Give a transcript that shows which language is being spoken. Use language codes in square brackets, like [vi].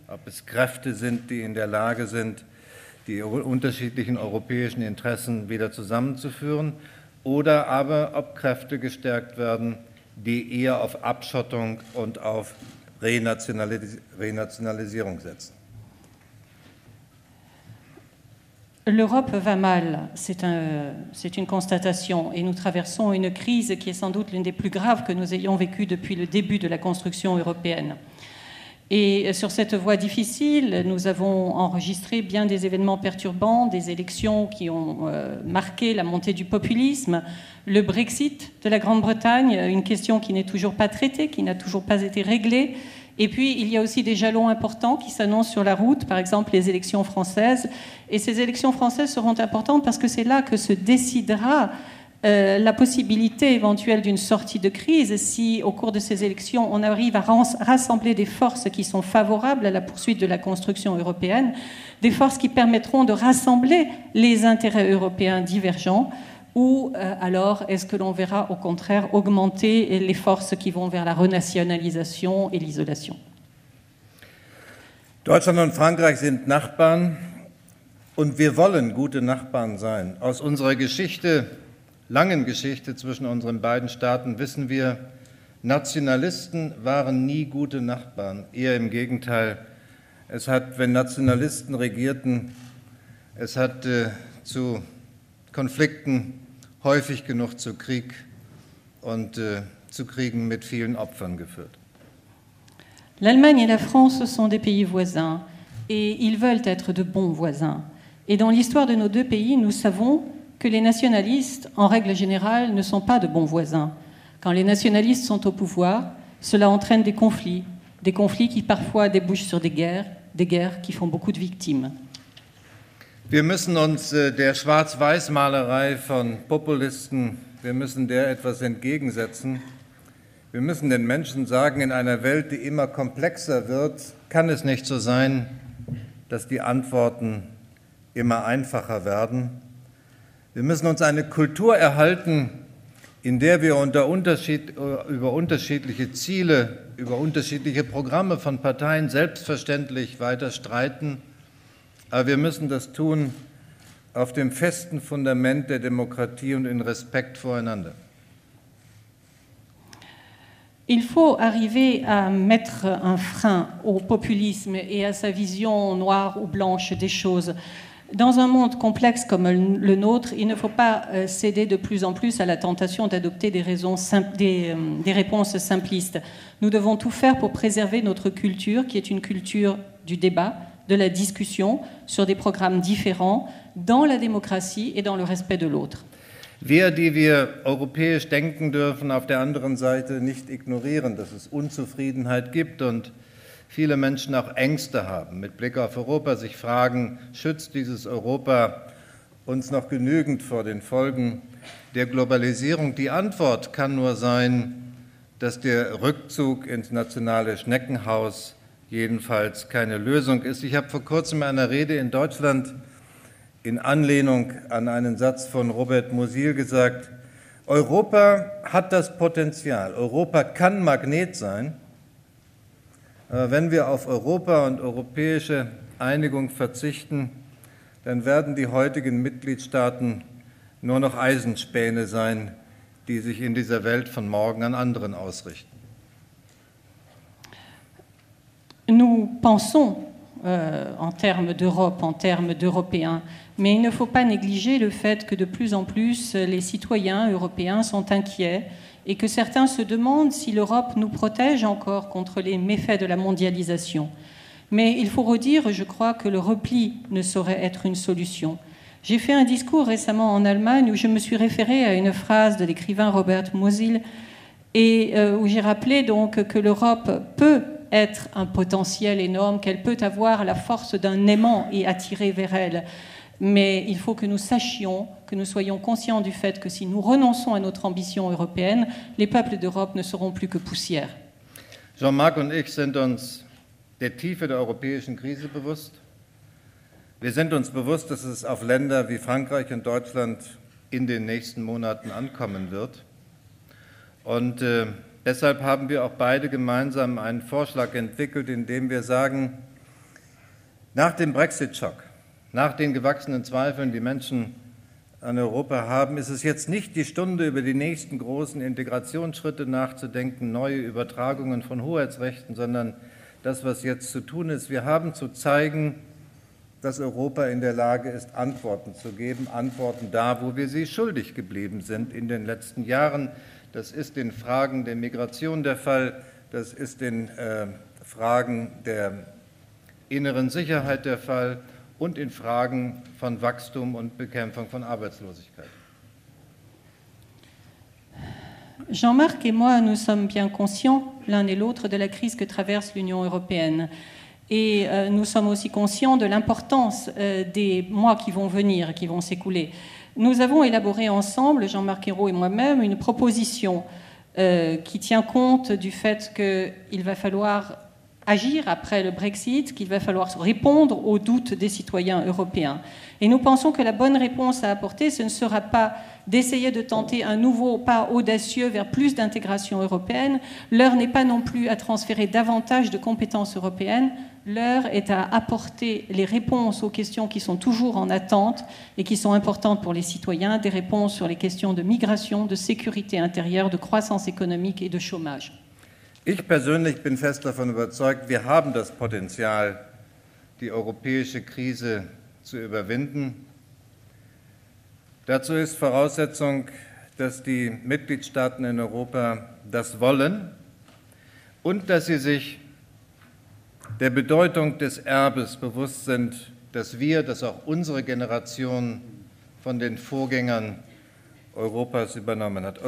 [de] Ob es Kräfte sind, die in der Lage sind, die unterschiedlichen europäischen Interessen wieder zusammenzuführen. oder aber ob Kräfte gestärkt werden, die eher auf Abschottung und auf Renationalisierung setzen. [fr] L'Europe va mal, c'est une constatation, et nous traversons une crise qui est sans doute l'une des plus graves que nous ayons vécue depuis le début de la construction européenne. Et sur cette voie difficile, nous avons enregistré bien des événements perturbants, des élections qui ont marqué la montée du populisme, le Brexit de la Grande-Bretagne, une question qui n'est toujours pas traitée, qui n'a toujours pas été réglée. Et puis, il y a aussi des jalons importants qui s'annoncent sur la route, par exemple les élections françaises. Et ces élections françaises seront importantes parce que c'est là que se décidera la possibilité éventuelle d'une sortie de crise si, au cours de ces élections, on arrive à rassembler des forces qui sont favorables à la poursuite de la construction européenne, des forces qui permettront de rassembler les intérêts européens divergents, ou alors est-ce que l'on verra au contraire augmenter les forces qui vont vers la renationalisation et l'isolation? [de] Deutschland und Frankreich sind Nachbarn und wir wollen gute Nachbarn sein. Aus unserer Geschichte, langen Geschichte zwischen unseren beiden Staaten, wissen wir, Nationalisten waren nie gute Nachbarn. Eher im Gegenteil, es hat, wenn Nationalisten regierten, es hat zu Konflikten häufig genug zu Krieg und zu Kriegen mit vielen Opfern geführt. [fr] L'Allemagne et la France sont des pays voisins et ils veulent être de bons voisins. Et dans l'histoire de nos deux pays, nous savons que les nationalistes, en règle générale, ne sont pas de bons voisins. Quand les nationalistes sont au pouvoir, cela entraîne des conflits qui parfois débouchent sur des guerres qui font beaucoup de victimes. [de] Wir müssen uns der Schwarz-Weiß-Malerei von Populisten, wir müssen der etwas entgegensetzen. Wir müssen den Menschen sagen, in einer Welt, die immer komplexer wird, kann es nicht so sein, dass die Antworten immer einfacher werden. Wir müssen uns eine Kultur erhalten, in der wir über unterschiedliche Ziele, über unterschiedliche Programme von Parteien selbstverständlich weiter streiten. Aber wir müssen das tun auf dem festen Fundament der Demokratie und in Respekt voreinander. [fr] Il faut arriver à mettre un frein au populisme et à sa vision noire ou blanche des choses. Dans un monde complexe comme le nôtre, il ne faut pas céder de plus en plus à la tentation d'adopter des réponses simplistes. Nous devons tout faire pour préserver notre culture, qui est une culture du débat, de la discussion sur des programmes différents dans la démocratie et dans le respect de l'autre. [de] Wir, die wir europäisch denken dürfen, auf der anderen Seite nicht ignorieren, dass es Unzufriedenheit gibt und viele Menschen auch Ängste haben, mit Blick auf Europa sich fragen, schützt dieses Europa uns noch genügend vor den Folgen der Globalisierung? Die Antwort kann nur sein, dass der Rückzug ins nationale Schneckenhaus jedenfalls keine Lösung ist. Ich habe vor kurzem in einer Rede in Deutschland in Anlehnung an einen Satz von Robert Musil gesagt, Europa hat das Potenzial, Europa kann Magnet sein, aber wenn wir auf Europa und europäische Einigung verzichten, dann werden die heutigen Mitgliedstaaten nur noch Eisenspäne sein, die sich in dieser Welt von morgen an anderen ausrichten. [fr] Nous pensons en termes d'Europe, en termes d'Européens, mais il ne faut pas négliger le fait que de plus en plus les citoyens européens sont inquiets et que certains se demandent si l'Europe nous protège encore contre les méfaits de la mondialisation. Mais il faut redire, je crois, que le repli ne saurait être une solution. J'ai fait un discours récemment en Allemagne où je me suis référée à une phrase de l'écrivain Robert Musil et où j'ai rappelé donc que l'Europe peut être un potentiel énorme, qu'elle peut avoir la force d'un aimant et attirer vers elle. Mais il faut que nous sachions, que nous soyons conscients du fait que si nous renonçons à notre ambition européenne, les peuples d'Europe ne seront plus que poussière. [de] Jean-Marc und ich sind uns der Tiefe der europäischen Krise bewusst. Wir sind uns bewusst, dass es auf Länder wie Frankreich und Deutschland in den nächsten Monaten ankommen wird. Und deshalb haben wir auch beide gemeinsam einen Vorschlag entwickelt, in dem wir sagen, nach dem Brexit-Schock, nach den gewachsenen Zweifeln, die Menschen an Europa haben, ist es jetzt nicht die Stunde, über die nächsten großen Integrationsschritte nachzudenken, neue Übertragungen von Hoheitsrechten, sondern das, was jetzt zu tun ist. Wir haben zu zeigen, dass Europa in der Lage ist, Antworten zu geben, Antworten da, wo wir sie schuldig geblieben sind in den letzten Jahren. Das ist in Fragen der Migration der Fall, das ist in Fragen der inneren Sicherheit der Fall und in Fragen von Wachstum und Bekämpfung von Arbeitslosigkeit. [fr] Jean-Marc et moi, nous sommes bien conscients l'un et l'autre de la crise que traverse l'Union européenne. Et nous sommes aussi conscients de l'importance des mois qui vont venir, qui vont s'écouler. Nous avons élaboré ensemble, Jean-Marc Ayrault et moi-même, une proposition qui tient compte du fait qu'il va falloir agir après le Brexit, qu'il va falloir répondre aux doutes des citoyens européens. Et nous pensons que la bonne réponse à apporter, ce ne sera pas d'essayer de tenter un nouveau pas audacieux vers plus d'intégration européenne. L'heure n'est pas non plus à transférer davantage de compétences européennes. L'heure est à apporter les réponses aux questions qui sont toujours en attente et qui sont importantes pour les citoyens, des réponses sur les questions de migration, de sécurité intérieure, de croissance économique et de chômage. [de] Ich persönlich bin fest davon überzeugt, wir haben das Potenzial, die europäische Krise zu überwinden. Dazu ist Voraussetzung, dass die Mitgliedstaaten in Europa das wollen und dass sie sich der Bedeutung des Erbes bewusst sind, dass wir, dass auch unsere Generation von den Vorgängern Europas übernommen hat.